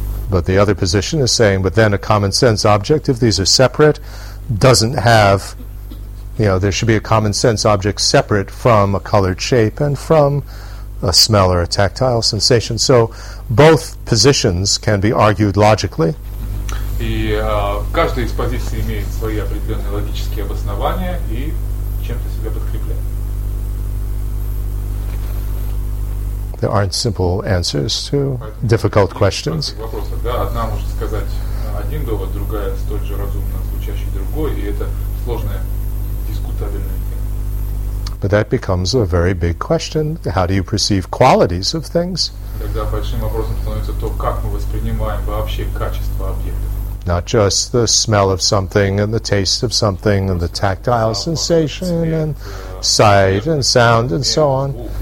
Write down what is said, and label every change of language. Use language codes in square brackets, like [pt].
[en] But the other position is saying, but then a common sense object, if these are separate, doesn't have, you know, there should be a common sense object separate from a colored shape and from a smell or a tactile sensation. So both positions can be argued logically. [ru] И каждая из позиций имеет свои определенные логические обоснования и чем-то себя подкрепляет. [en] There aren't simple answers to difficult questions. [ru] Да, одна может сказать один довод, другая столь же разумно звучащий другой, и это сложная дискутабельная тема. [en] But that becomes a very big question. How do you perceive qualities of things? [ru] Тогда большим вопросом становится то, как мы воспринимаем вообще качество объекта. [en] Not just the smell of something and the taste of something and the tactile sensation and sight and sound and so on.